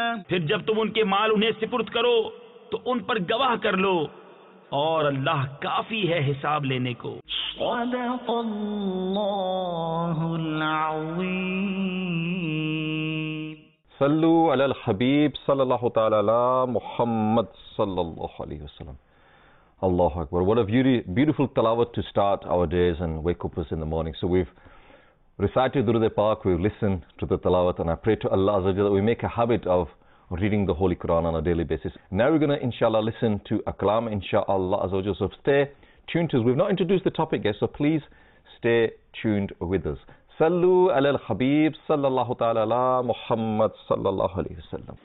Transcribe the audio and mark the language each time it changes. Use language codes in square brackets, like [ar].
[ur] پھر جب تم ان کے مال انہیں سپرد کرو تو ان پر گواہ کر لو اور اللہ کافی ہے حساب لینے کو. [ar] صدق اللہ العظیم. صلو علی الحبیب صلی اللہ تعالی علی محمد صلی اللہ علیہ وسلم. اللہ اکبر. [en] What a beautiful tilawat to start our days and wake up us in the morning. So we've recited Durud-e Pak, we've listened to the tilawat, and I pray to Allah Azza wa Jalla that we make a habit of reading the Holy Quran on a daily basis. Now we're going to inshallah listen to aklam inshallah Azza wa Jalla. So stay tuned to us. We've not introduced the topic yet, so please stay tuned with us. [ar] صلوا علی الحبیب صلی اللہ تعالی علی محمد صلی اللہ علیہ وسلم.